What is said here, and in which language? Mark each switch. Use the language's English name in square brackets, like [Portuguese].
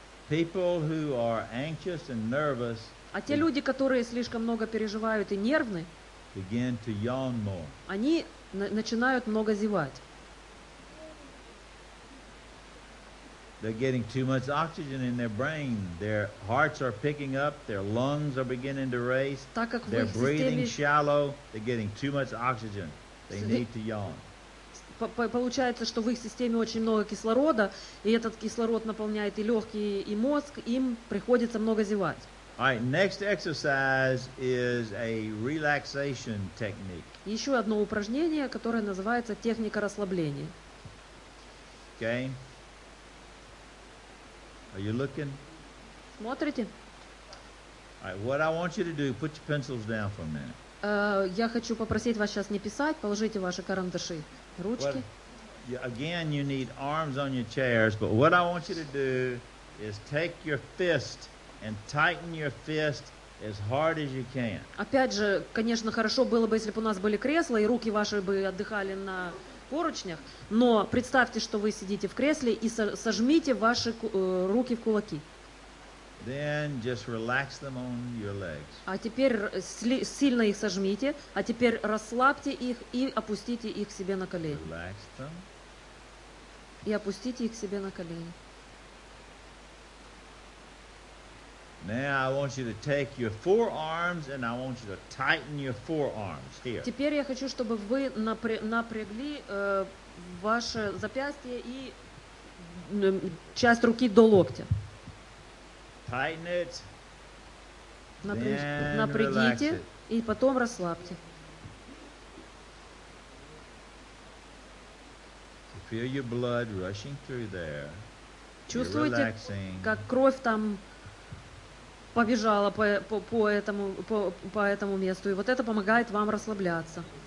[English] People who are anxious and nervous. [Russian] А те люди, которые слишком много переживают и нервны, [English] begin to yawn more. [Russian] Они начинают много зевать. [English] They're getting too much oxygen in their brain. Their hearts are picking up. Their lungs are beginning to race. They're breathing shallow. They're getting too much oxygen. They need to yawn. [Russian] Получается, что в их системе очень много кислорода, и этот кислород наполняет и легкие, и мозг. Им приходится много зевать. [English] All right, next exercise is a relaxation technique. [Russian] Еще одно упражнение, которое называется техника расслабления. [English] Okay. Are you looking? [Russian] Смотрите. [English] All right, what I want you to do, put your pencils down for a minute. [Russian] Я хочу попросить вас сейчас не писать, положите ваши карандаши, ручки. [English] Well, again, you need arms on your chairs, but what I want you to do is take your fist and tighten your fist as hard as you can. [Russian] Опять же, конечно, хорошо было бы, если бы у нас были кресла и руки ваши бы отдыхали на поручнях, но представьте, что вы сидите в кресле и сожмите ваши руки в кулаки. [English] Then just relax them on your legs. [Russian] А теперь сильно их сожмите, а теперь расслабьте их и опустите их к себе на колени. [English] Relax them. [Russian] И опустите их к себе на колени. [English] Now I want you to take your forearms and I want you to tighten your forearms here. [Russian] Теперь я хочу, чтобы вы напрягли ваше запястье и часть руки до локтя. [English] Tighten it. [Russian] Напрягите и потом расслабьте. [English] Feel your blood rushing through there. [Russian] Чувствуете, как кровь там побежала по этому месту, и вот это помогает вам расслабляться.